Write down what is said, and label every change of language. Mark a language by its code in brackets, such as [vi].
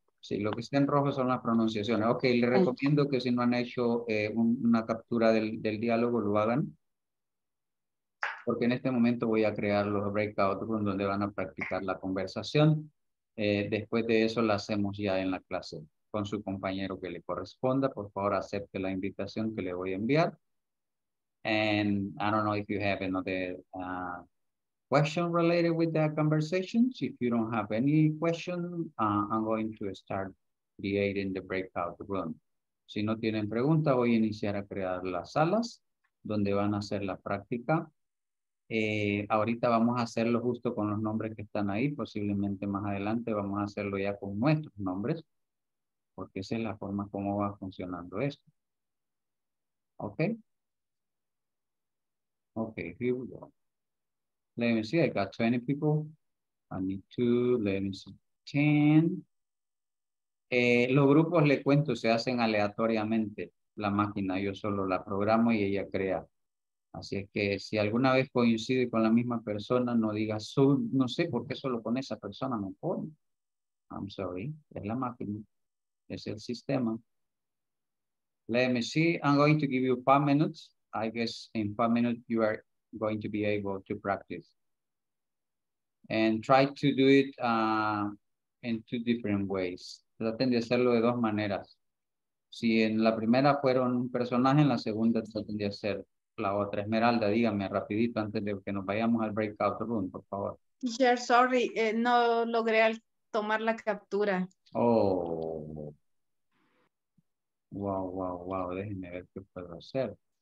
[es] Sí, lo que está en rojo son las pronunciaciones. Ok, le recomiendo que si no han hecho una captura del diálogo, lo hagan. Porque en este momento voy a crear los breakout rooms donde van a practicar la conversación. Después de eso la hacemos ya en la clase con su compañero que le corresponda. Por favor, acepte la invitación que le voy a enviar. [en] And I don't know if you have another... question related with that conversation. If you don't have any question, I'm going to start creating the breakout room. [es] Si no tienen pregunta, voy a iniciar a crear las salas donde van a hacer la práctica. Ahorita vamos a hacerlo justo con los nombres que están ahí. Posiblemente más adelante vamos a hacerlo ya con nuestros nombres, porque esa es la forma como va funcionando esto. [en] Ok. Ok, here we go. Let me see, I got 20 people. I need to, let me see, 10. [es] Los grupos, le cuento, se hacen aleatoriamente. La máquina, yo solo la programo y ella crea. Así es que si alguna vez coincide con la misma persona, no diga, no sé por qué solo con esa persona me pone. [en] I'm sorry, [es] es la máquina, es el sistema. [en] Let me see, I'm going to give you 5 minutes. I guess in 5 minutes you are going to be able to practice and try to do it in 2 different ways. [es] Traten de hacerlo de 2 maneras. Si en la primera fueron un personaje, en la segunda traten de hacer la otra. Esmeralda, dígame rapidito antes de que nos vayamos al breakout room, por favor. [en] Yeah, sorry, [es] no logré tomar la captura. Oh, wow, déjenme ver qué puedo hacer.